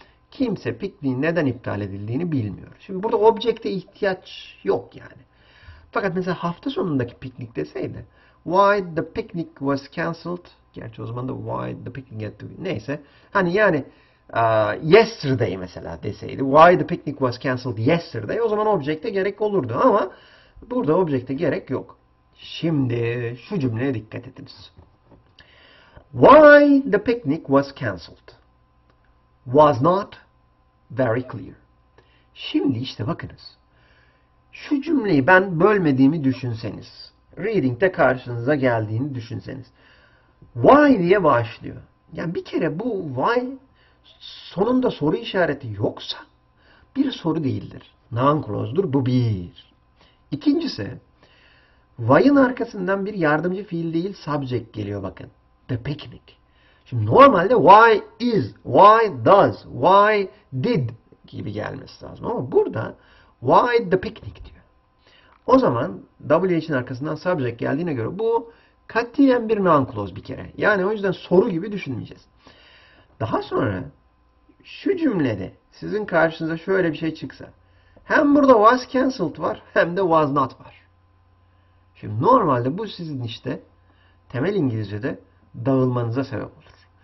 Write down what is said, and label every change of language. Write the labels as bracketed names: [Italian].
[Turkish] Kimse pikniğin neden iptal edildiğini bilmiyor. Şimdi burada objekte ihtiyaç yok yani. Fakat mesela hafta sonundaki piknik deseydi. [English] Why the picnic was cancelled? [Turkish] Gerçi o zaman da [English] why the picnic had to be. [Turkish] Neyse. Hani yani [English] Yesterday [Turkish] mesela deseydi. [English] Why the picnic was cancelled yesterday. [Turkish] O zaman objekte gerek olurdu ama burada objekte gerek yok. Şimdi şu cümleye dikkat ediniz. [English] Why the picnic was cancelled was not very clear. [Turkish] Şimdi işte bakınız. Şu cümleyi ben bölmediğimi düşünseniz, readingde karşınıza geldiğini düşünseniz. Why diye başlıyor. Yani bir kere bu why sonunda soru işareti yoksa bir soru değildir. Non-clause'dur bu bir. İkincisi, why'ın arkasından bir yardımcı fiil değil subject geliyor bakın. The picnic. Şimdi normalde why is, why does, why did gibi gelmesi lazım. Ama burada why the picnic diyor. O zaman WH'in arkasından subject geldiğine göre bu katiyen bir non-clause bir kere. Yani o yüzden soru gibi düşünmeyeceğiz. Daha sonra şu cümlede sizin karşınıza şöyle bir şey çıksa. Hem burada was cancelled var hem de was not var. Şimdi normalde bu sizin işte temel İngilizce'de dağılmanıza sebep olur.